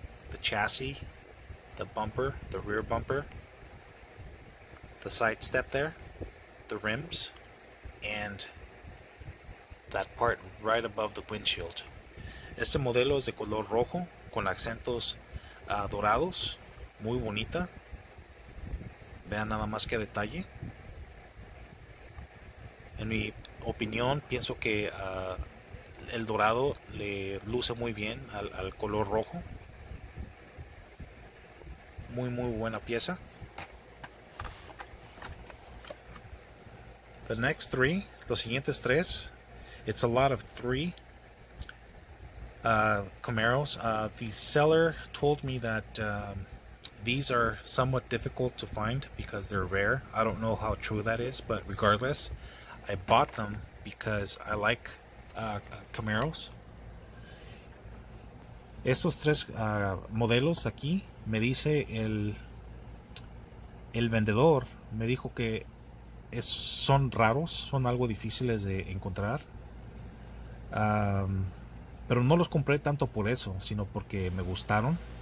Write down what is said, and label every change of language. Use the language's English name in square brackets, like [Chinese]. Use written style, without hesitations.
[English] The chassis, the bumper, the rear bumper, the side step there, the rims, and that part right above the windshield. [Spanish] Este modelo es de color rojo con acentos dorados, muy bonita. Vean nada más que detalle. En mi opinión, pienso que el dorado le luce muy bien al color rojo. Muy muy buena pieza. [English] The next three, [Spanish] los siguientes tres, [English] it's a lot of three Camaros. The seller told me that these are somewhat difficult to find because they're rare. I don't know how true that is, but regardless, I bought them because I like Camaros. [Spanish] Estos tres modelos aquí, me dice el vendedor, me dijo que son raros, son algo difíciles de encontrar. Pero no los compré tanto por eso, sino porque me gustaron.